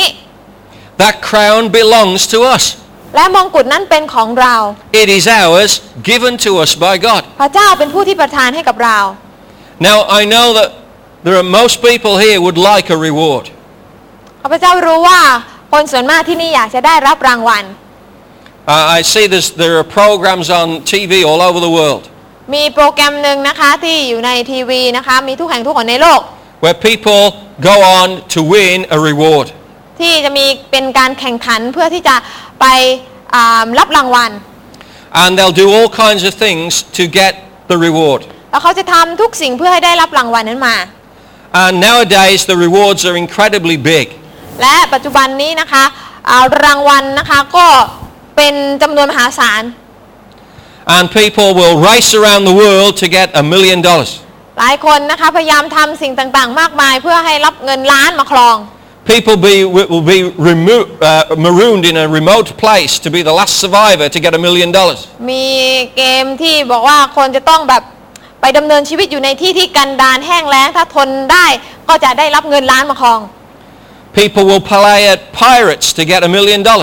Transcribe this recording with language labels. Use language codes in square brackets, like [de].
[en] That crown belongs to us [th] และมงกุฎนั้นเป็นของเรา [en] It is ours given to us by God [th] พระเจ้าเป็นผู้ที่ประทานให้กับเรา [en] Now I know that there are most people here would like a reward [th] พระเจ้ารู้ว่าคนส่วนมากที่นี่อยากจะได้รับรางวัล [en] I see there are programs on TV all over the world [th] มีโปรแกรมนึงนะคะที่อยู่ในทีวีนะคะมีทุกแห่งทุกคนในโลก [en] Where people go on to win a reward [th] ที่จะมีเป็นการแข่งขันเพื่อที่จะไปรับรางวัล [en] And they'll do all kinds of things to get the reward [th] แล้วเขาจะทำทุกสิ่งเพื่อให้ได้รับรางวัลนั้นมา [en] And nowadays the rewards are incredibly big [th] และปัจจุบันนี้นะคะรางวัลนะคะก็เป็นจำนวนมหาศาล [en] And people will race around the world to get $1 million [th] หลายคนนะคะพยายามทำสิ่งต่างๆมากมายเพื่อให้รับเงินล้านมาครอง [en] People will be marooned in a remote place to be the last survivor to get $1 million. [th] มีเกมที่บอกว่าคนจะต้องแบบไปดำเนินชีวิตอยู่ในที่ที่กันดารแห้งแล้งถ้าทนได้ก็จะได้รับเงินล้านมาครอง [en] People will play at pirates to get $1 million.